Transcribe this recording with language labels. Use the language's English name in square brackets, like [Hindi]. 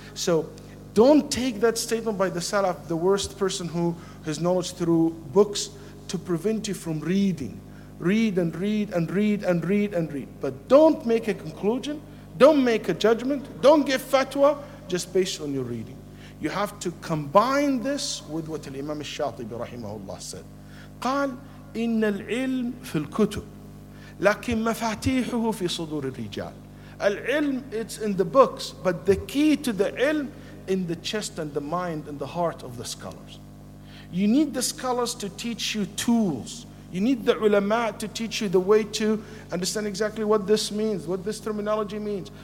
[English] So don't take that statement by the Salaf, the worst person who has knowledge through books, to prevent you from reading. Read and read and read and read and read. But don't make a conclusion. Don't make a judgment. Don't give fatwa just based on your reading. You have to combine this with what Imam al-Shatibi rahimahullah said. [Arabic] قال إن العلم في الكتب لكن مفاتيحه في صدور الرجال. [English] العلم, it's in the books, but the key to the ilm in the chest and the mind and the heart of the scholars. You need the scholars to teach you tools. You need the ulama to teach you the way to understand exactly what this means, what this terminology means.